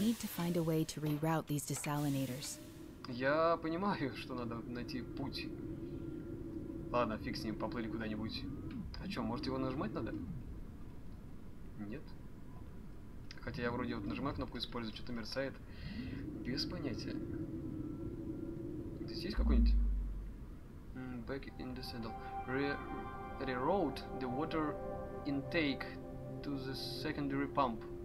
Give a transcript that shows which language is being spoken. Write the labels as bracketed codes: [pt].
[en] I need to find a way to reroute these desalinators. [ru] Я понимаю, что надо найти путь. Ладно, фиг с ним, поплыли куда-нибудь. А что, может его нажимать надо? Нет. Хотя я вроде вот нажимаю кнопку использовать, что-то мерцает. Без понятия. Здесь есть какой-нибудь? [en] Back in the saddle. Reroute the water intake to the secondary pump.